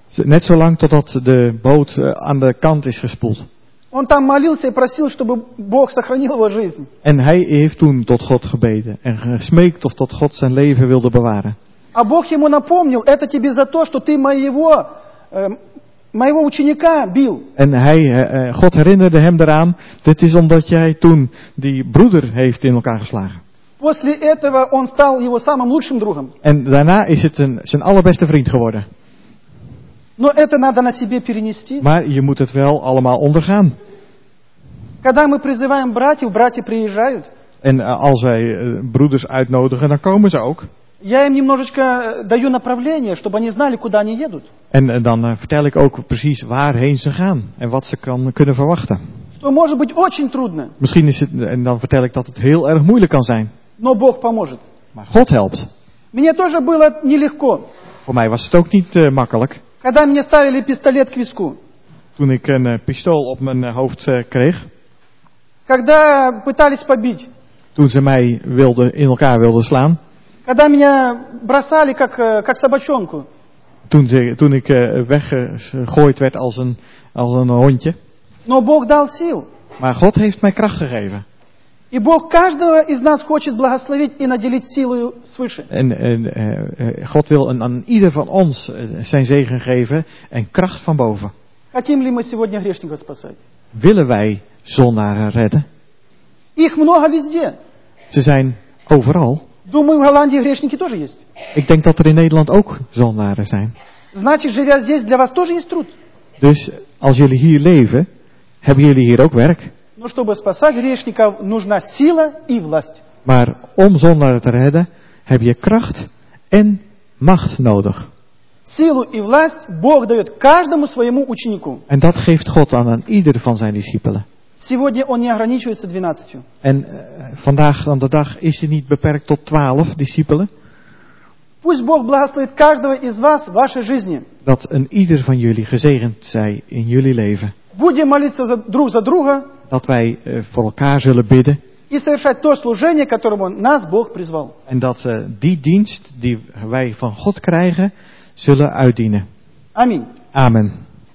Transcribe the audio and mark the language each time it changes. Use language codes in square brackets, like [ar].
[nl] Net zo lang totdat de boot aan de kant is gespoeld. [ru] Он там молился и просил, чтобы Бог сохранил его жизнь. [nl] En hij heeft toen tot God gebeden en gesmeekt of tot God zijn leven wilde bewaren. [ru] А Бог ему напомнил, это тебе за то, что ты моего ученика бил. [nl] En hij, God herinnerde hem eraan, dit is omdat jij toen die broeder heeft in elkaar geslagen. [ru] После этого он стал его самым лучшим другом. [nl] En daarna is het zijn allerbeste vriend geworden. [ru] Но это надо на себе перенести. [nl] Maar je moet het wel allemaal ondergaan. [ru] Когда мы призываем братьев, братья приезжают. [nl] En als wij broeders uitnodigen, dan komen ze ook. [ru] Я им немножечко даю направление, чтобы они знали, куда они едут. [nl] En dan vertel ik ook precies waarheen ze gaan en wat ze kunnen verwachten. [ru] Что может быть очень трудно. [nl] Misschien is het, en dan vertel ik dat het heel erg moeilijk kan zijn. [ru] Но Бог поможет. [nl] Maar God helpt. [ru] Мне тоже было нелегко. [nl] Voor mij was het ook niet makkelijk. [ru] Когда мне ставили пистолет к виску. [nl] Toen ik een pistool op mijn hoofd kreeg. [ru] Когда пытались побить. [nl] Toen ze mij in elkaar wilden slaan. [ru] Когда меня бросали как собачонку. [nl] Toen ik weggegooid werd als een hondje. [ru] Но Бог дал сил. [nl] Maar God heeft mij kracht gegeven. [ru] И Бог каждого из нас хочет благословить и наделить силою свыше. [nl] God wil aan ieder van ons zijn zegen geven en kracht van boven. [ru] Хотим ли мы сегодня грешников спасать? [nl] Willen wij zondaren redden? [ru] Их много везде. [nl] Ze zijn overal. [ru] Думаю, в Голландии грешники тоже есть. [nl] Ik denk dat er in Nederland ook zondaren zijn. [ru] Значит, живя здесь, для вас тоже есть труд. [nl] Dus als jullie hier leven, hebben jullie hier ook werk. [ru] Но чтобы спасать грешников, нужна сила и власть. [nl] Maar om zondaren te redden, heb je kracht en macht nodig. [ru] Силу и власть Бог дает каждому своему ученику. [nl] En dat geeft God aan ieder van zijn discipelen. [ru] Сегодня он не ограничивается 12. [nl] En vandaag aan de dag is hij niet beperkt tot 12 discipelen. [ru] Пусть Бог благословит каждого из вас в вашей жизни. [nl] Dat een ieder van jullie gezegend zij in jullie leven. [ru] Будем молиться друг за друга. [nl] Dat wij voor elkaar zullen bidden. [ru] И совершать то служение, которому нас Бог призвал. [nl] En dat die dienst die wij van God krijgen, zullen uitdienen. Amen. Amen.